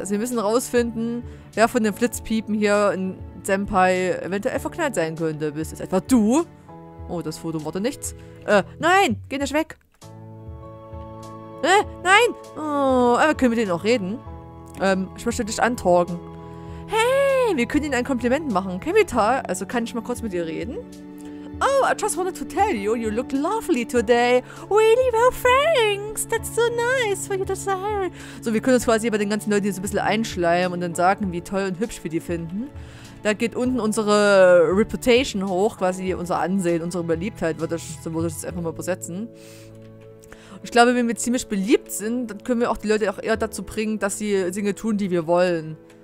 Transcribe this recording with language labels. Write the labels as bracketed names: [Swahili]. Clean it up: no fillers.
[German] Also wir müssen rausfinden, wer von den Flitzpiepen hier in Senpai eventuell verknallt sein könnte. Bist es etwa du? Oh, das Foto wurde nichts. Nein, geh nicht weg. Nein. Oh, aber können wir denen noch reden? Ich möchte dich antorgen. Hey, wir können ihnen ein Kompliment machen. Kemita, also kann ich mal kurz mit dir reden? [English] Oh, I just wanted to tell you, you look lovely today. Really well, thanks. That's so nice for you to say. [German] So, wir können uns quasi bei den ganzen Leuten hier so ein bisschen einschleimen und dann sagen, wie toll und hübsch wir die finden. Da geht unten unsere Reputation hoch, quasi unser Ansehen, unsere Beliebtheit, würde ich das einfach mal übersetzen. Ich glaube, wenn wir ziemlich beliebt sind, dann können wir auch die Leute auch eher dazu bringen, dass sie Dinge tun, die wir wollen.